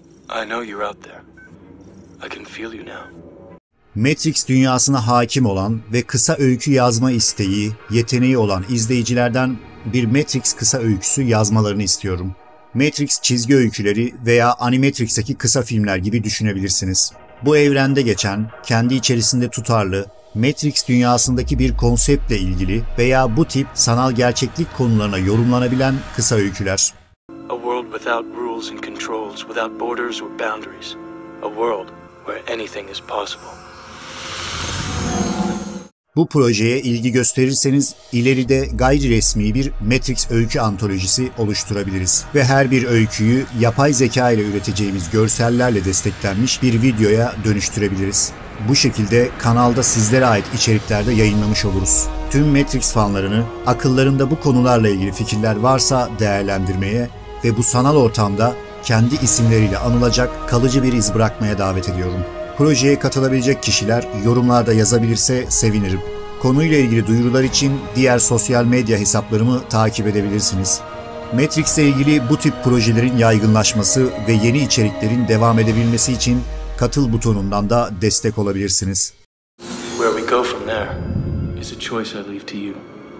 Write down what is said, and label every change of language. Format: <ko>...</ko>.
<en>I know you're out there. I can feel you now.</en> <tr>Matrix dünyasına hakim olan ve kısa öykü yazma isteği, yeteneği olan izleyicilerden bir Matrix kısa öyküsü yazmalarını istiyorum. Matrix çizgi öyküleri veya Animatrix'teki kısa filmler gibi düşünebilirsiniz. Bu evrende geçen, kendi içerisinde tutarlı, Matrix dünyasındaki bir konseptle ilgili veya bu tip sanal gerçeklik konularına yorumlanabilen kısa öyküler.</tr> <en>A world without rules and controls, without borders or boundaries. A world where anything is possible.</en> <tr>Bu projeye ilgi gösterirseniz ileride gayri resmi bir Matrix öykü antolojisi oluşturabiliriz ve her bir öyküyü yapay zeka ile üreteceğimiz görsellerle desteklenmiş bir videoya dönüştürebiliriz. Bu şekilde kanalda sizlere ait içeriklerde yayınlamış oluruz. Tüm Matrix fanlarını akıllarında bu konularla ilgili fikirler varsa değerlendirmeye ve bu sanal ortamda kendi isimleriyle anılacak kalıcı bir iz bırakmaya davet ediyorum. Projeye katılabilecek kişiler yorumlarda yazabilirse sevinirim. Konuyla ilgili duyurular için diğer sosyal medya hesaplarımı takip edebilirsiniz. Matrix'le ilgili bu tip projelerin yaygınlaşması ve yeni içeriklerin devam edebilmesi için katıl butonundan da destek olabilirsiniz.</tr> <en>Where we go from there is a choice I leave to you.</en>